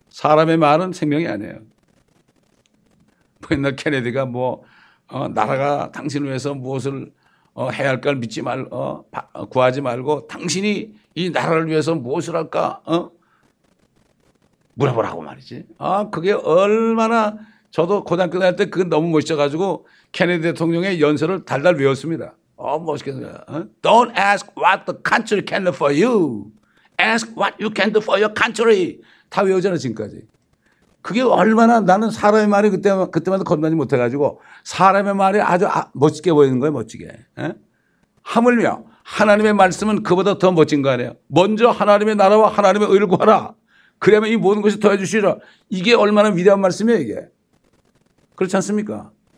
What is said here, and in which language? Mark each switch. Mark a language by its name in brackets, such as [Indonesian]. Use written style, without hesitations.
[Korean] 사람의 말은 생명이 아니에요. 뭐 옛날 케네디가 나라가 당신을 위해서 무엇을 해야 할까를 믿지 말, 구하지 말고 당신이 이 나라를 위해서 무엇을 할까, 물어보라고 말이지. 그게 얼마나, 저도 고등학교 다닐 때 그게 너무 멋있어가지고 케네디 대통령의 연설을 달달 외웠습니다. 멋있겠어요. [English] Don't ask what the country can do for you. Ask what you can do for your country. [Korean] 다 외우잖아, 지금까지. 그게 얼마나, 나는 사람의 말이 그때마다 건너지 못해가지고 사람의 말이 아주 멋지게 보이는 거예요, 멋지게. 하물며 하나님의 말씀은 그보다 더 멋진 거 아니에요. 먼저 하나님의 나라와 하나님의 의를 구하라. 그러면 이 모든 것이 더해 주시라. 이게 얼마나 위대한 말씀이에요, 이게. 그렇지 않습니까?